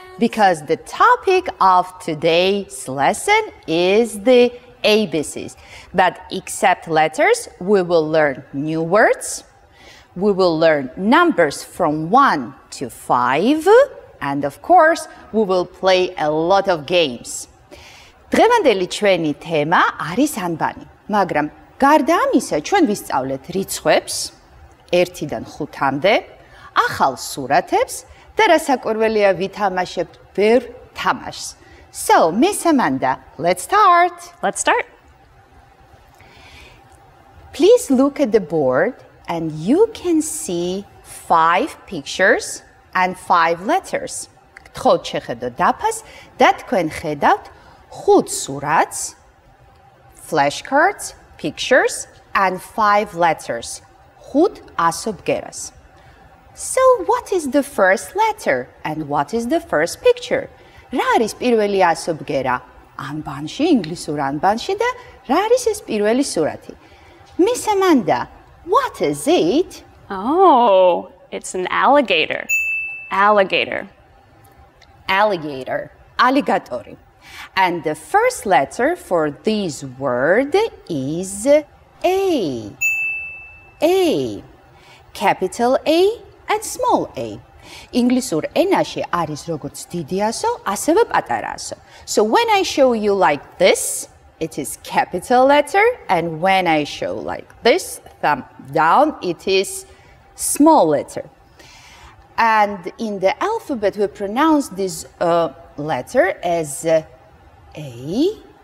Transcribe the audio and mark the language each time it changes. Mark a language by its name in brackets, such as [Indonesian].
[English] Because the topic of today's lesson is the ABCs. But except letters, we will learn new words. We will learn numbers from 1 to 5. And of course, we will play a lot of games. [Georgian] დღევანდელი ჩვენი თემა არის ანბანი. მაგრამ გარდა ამისა, ჩვენ ვისწავლეთ რიცხვებს 1-დან 5-მდე, ახალ სურათებს, და რასაკვირველია ვითამაშებ ბევრ თამაშს. [English] So, Miss Amanda, let's start. Let's start. Please look at the board and you can see 5 pictures and 5 letters. [Georgian] გთხოვთ შეხედოთ დაფას და თქვენ ხედავთ 5 სურათს, [English] flashcards, pictures and 5 letters. [Georgian] 5 ასობგერას. [English] So, what is the first letter and what is the first picture? [Georgian] Რა არის პირველი ასობგერა ანბანში, ინგლისურ ანბანში, და რა არის ეს პირველი სურათი? [English] Miss Amanda, what is it? Oh, it's an alligator. Alligator. Alligator. Alligatori. And the first letter for this word is A. A. Capital A. And small a. [Georgian] ინგლისურ ენაში არის როგორც დიდი ასო, ასევე პატარა ასო. [English] So when I show you like this, it is capital letter. And when I show like this, thumb down, it is small letter. And in the alphabet, we pronounce this letter as a.